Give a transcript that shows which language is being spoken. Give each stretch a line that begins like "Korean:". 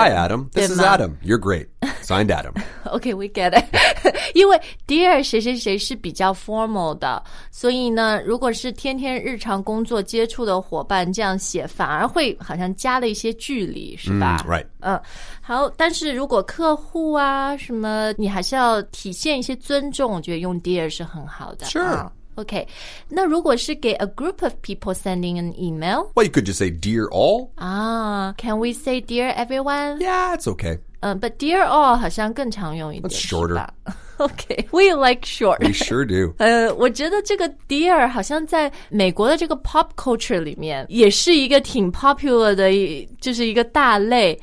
English: Hi Adam, this is Adam, you're great, signed Adam. Okay, we get it.
Chinese: 因为 dear 谁谁谁是比较 formal 的，所以呢如果是天天日常工作接触的伙伴这样写反而会好像加了一些距离，是吧？
English: Right.
Chinese: 好，但是如果客户啊什么你还是要体现一些尊重，我觉得用 dear 是很好的。
English: Sure. OK. 那如果是给 a group of people sending an email? Well, you could just say dear all. Can we say dear everyone? Yeah, it's OK.
Chinese: But dear all 好像更常用一点。
English: It's shorter. Okay. Okay, we like short. We sure do.
Chinese: 我觉得这个 dear 好像在美国的这个 pop culture 里面也是一个挺 popular 的，就是一个大类。